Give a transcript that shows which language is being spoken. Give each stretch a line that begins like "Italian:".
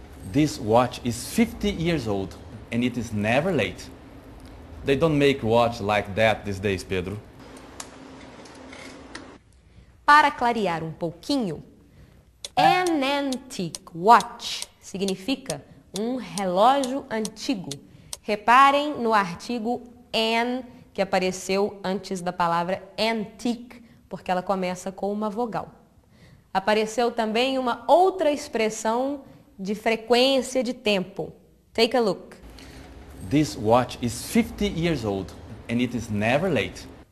English: This watch is 50 years old, and it is never late. They don't make watch like that these days, Pedro.
Portuguese: Para clarear um pouquinho,
English: an antique watch
Portuguese: significa um relógio antigo. Reparem no artigo an, que apareceu antes da palavra antique, porque ela começa com uma vogal. Apareceu também uma outra expressão de frequência de tempo.
English: Take a look. This watch is 50 years old and it is never late.